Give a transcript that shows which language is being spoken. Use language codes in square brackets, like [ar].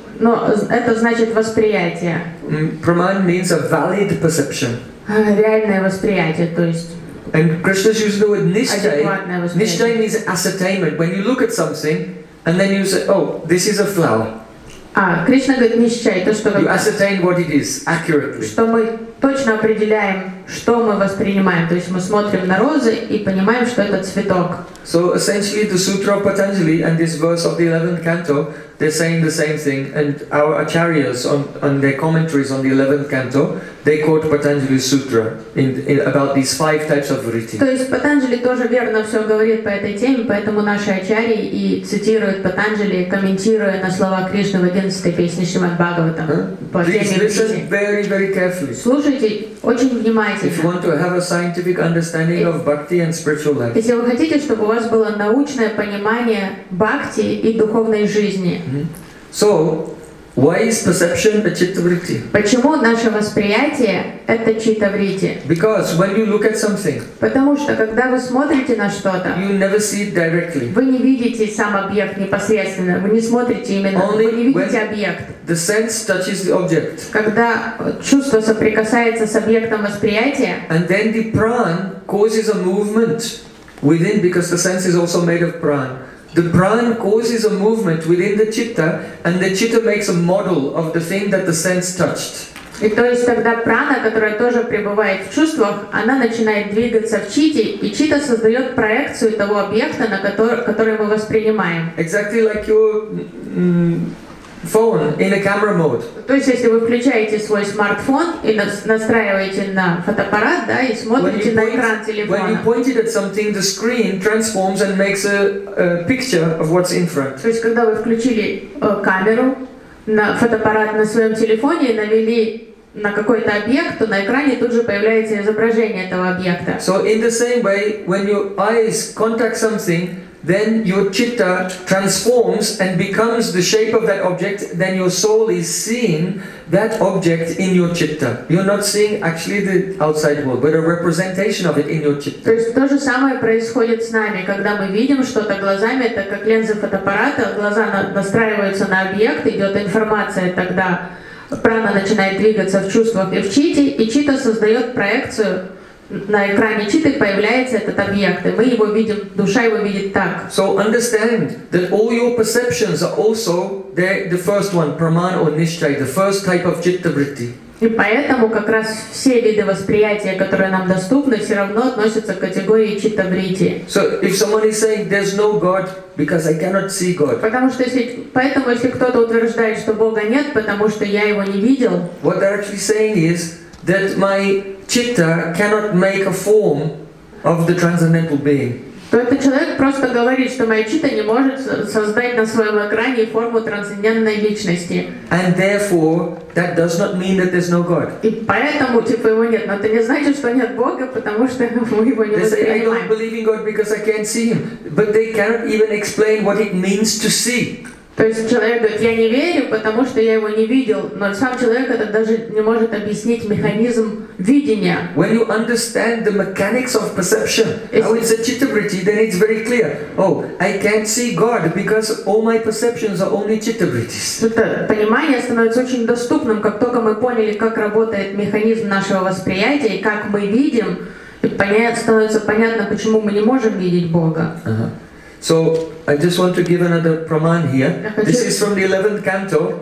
[ru] Но это значит восприятие. [en] Praman means a valid perception. [ru] Реальное восприятие, то есть. [en] And Krishna uses the word nishchay. Nishchay means ascertainment. When you look at something, and then you say, "Oh, this is a flower." [ru] Krishna говорит nishchay, то что [en] you ascertain what it is accurately. [ru] Что мы точно определяем, что мы воспринимаем. То есть мы смотрим на розы и понимаем, что это цветок. [en] So essentially, the Sutra of Patanjali and this verse of the 11th canto, they're saying the same thing. And our acharyas on their commentaries on the 11th canto, they quote Patanjali's Sutra in about these five types of vritti. [ru] То есть Патанджали тоже верно все говорит по этой теме, поэтому наши ачарьи и цитируют Патанджали, комментируя на слова Кришны в 11th песне Шримад Бхагаватам. [en] Please listen very, very carefully. [ru] Слушайте очень внимательно. внимательно. [en] If you want to have a scientific understanding of bhakti and spiritual life. [ru] Если вы хотите, чтобы у вас было научное понимание бхакти и духовной жизни. [en] So, why is perception a chittavritti? [ru] Почему наше восприятие это читтавритти? [en] Because when you look at something. [ru] Потому что когда вы смотрите на что-то. [en] You never see it directly. [ru] Вы не видите сам объект непосредственно. Вы не смотрите именно. [en] Only [ru] вы не видите объект. [en] The sense touches the object. [ru] Когда чувство соприкасается с объектом восприятия. [en] And then the prana causes a movement within, because the sense is also made of prana. The prana causes a movement within the chitta, and the chitta makes a model of the thing that the sense touched. [ru] И то есть тогда прана, которая тоже пребывает в чувствах, она начинает двигаться в чите, и чита создает проекцию того объекта, на который мы воспринимаем. [en] Exactly like your phone in a camera mode. [ru] То есть если вы включаете свой смартфон и настраиваете на фотоаппарат, да, и смотрите на экран телефона. [en] When you point it at something, the screen transforms and makes a picture of what's in front. [ru] То есть когда вы включили камеру на фотоаппарат на своем телефоне и навели на какой-то объект, то на экране тут же появляется изображение этого объекта. [en] So in the same way, when your eyes contact something, then your chitta transforms and becomes the shape of that object, then your soul is seeing that object in your chitta. You're not seeing actually the outside world, but a representation of it in your chitta. [ru] То есть то же самое происходит с нами, когда мы видим что-то глазами, это как линзы фотоаппарата, глаза настраиваются на объект, идет информация, тогда прана начинает двигаться в чувствах и в чите, и чита создает проекцию. На экране читы появляется этот объект, и мы его видим, душа его видит так. [en] So understand that all your perceptions are also the first one, pramana or nishchay, the first type of chittavritti. [ru] И поэтому как раз все виды восприятия, которые нам доступны, все равно относятся к категории читтавритти. [en] So if someone is saying there's no God because I cannot see God. [ru] Поэтому если кто-то утверждает, что Бога нет, потому что я его не видел. [en] What they're actually saying is that my chitta cannot make a form of the transcendental being. [ru] То этот человек просто говорит, что моя чита не может создать на своем экране форму трансцендентной личности. [en] And therefore, that does not mean that there's no God. [ru] И поэтому типа его нет, но это не значит, что нет Бога, потому что мы его не воспринимаем. [en] They say I don't believe in God because I can't see Him, but they cannot even explain what it means to see. [ru] То есть человек говорит, я не верю, потому что я его не видел, но сам человек это даже не может объяснить механизм видения. [en] When you understand the mechanics of perception, how it's a chittavritti, then it's very clear. Oh, I can't see God because all my perceptions are only chittavrittis. [ru] Понимание становится очень доступным, как только мы поняли, как работает механизм нашего восприятия и как мы видим, становится понятно, почему мы не можем видеть Бога. [en] So I just want to give another praman here. This is from the 11th canto.